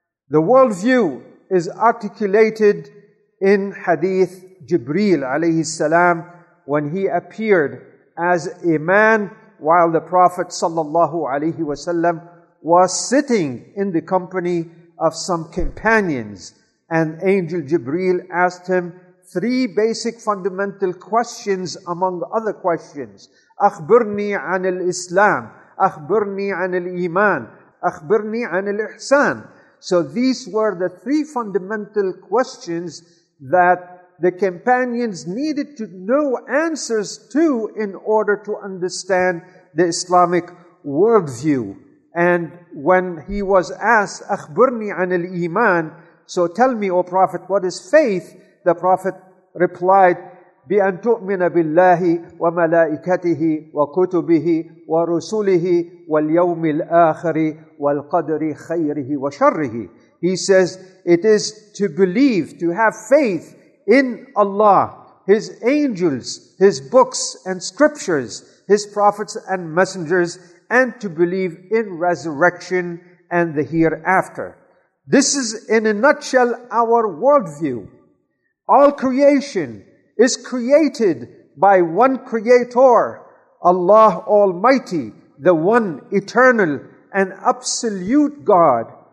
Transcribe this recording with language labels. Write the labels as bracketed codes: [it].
[en] The worldview is articulated in Hadith Jibreel alayhi salam when he appeared as a man while the Prophet sallallahu alayhi wasallam was sitting in the company of some companions, and Angel Jibreel asked him three basic fundamental questions among other questions. [ar] أخبرني عن الإسلام, أخبرني عن الإيمان, أخبرني عن الإحسان. [en] So these were the three fundamental questions that the companions needed to know answers to in order to understand the Islamic worldview. And when he was asked, [ar] أخبرني عن الإيمان, [en] so tell me, O Prophet, what is faith? The Prophet replied, [ar] بأن تؤمن بالله وملائكته وكتبه ورسله واليوم الآخر والقدر خيره وشره. [en] He says, it is to believe, to have faith in Allah, His angels, His books and scriptures, His prophets and messengers, and to believe in resurrection and the hereafter. This is, in a nutshell, our worldview. All creation is created by one Creator, Allah Almighty, the one eternal and absolute God.